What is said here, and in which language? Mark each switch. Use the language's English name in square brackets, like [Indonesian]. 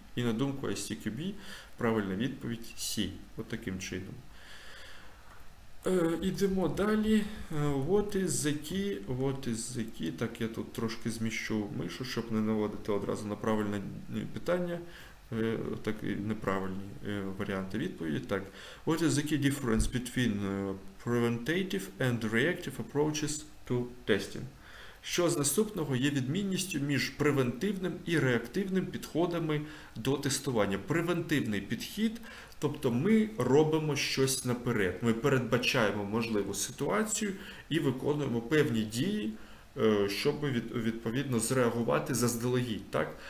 [Ukrainian] І на думку ICQB, правильна відповідь C. От таким чином. Йдемо далі. [English] What is the key? [Ukrainian] Так, я тут трошки зміщу мишу, щоб не наводити одразу на правильне питання, так і неправильні варіанти відповіді. [English] Так, what is the key difference between preventative and reactive approaches to testing? [Ukrainian] Що з наступного є відмінністю між превентивним і реактивним підходами до тестування? Превентивний підхід. Тобто ми робимо щось наперед. Ми передбачаємо можливу ситуацію і виконуємо певні дії, щоб відповідно зреагувати заздалегідь, так?